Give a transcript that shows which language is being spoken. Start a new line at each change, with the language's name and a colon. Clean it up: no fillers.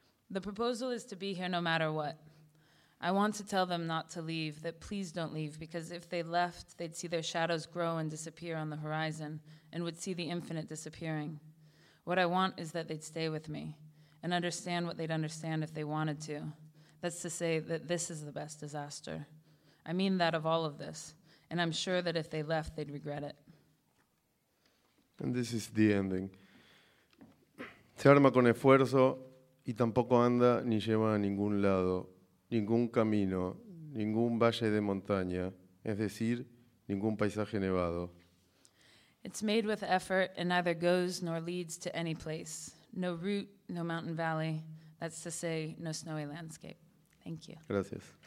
English: The proposal is to be here no matter what. I want to tell them not to leave, that please don't leave, because if they left, they'd see their shadows grow and disappear on the horizon and would see the infinite disappearing. What I want is that they'd stay with me and understand what they'd understand if they wanted to. That's to say that this is the best disaster. I mean that of all of this, and I'm sure that if they left, they'd regret it. And this is the ending.
Spanish: Se arma con esfuerzo y tampoco anda ni lleva a ningún lado. Ningún camino, ningún valle de montaña, es decir, ningún paisaje nevado.
English: It's made with effort and neither goes nor leads to any place. No route, no mountain valley, that's to say, no snowy landscape. Thank you.
Spanish: Gracias.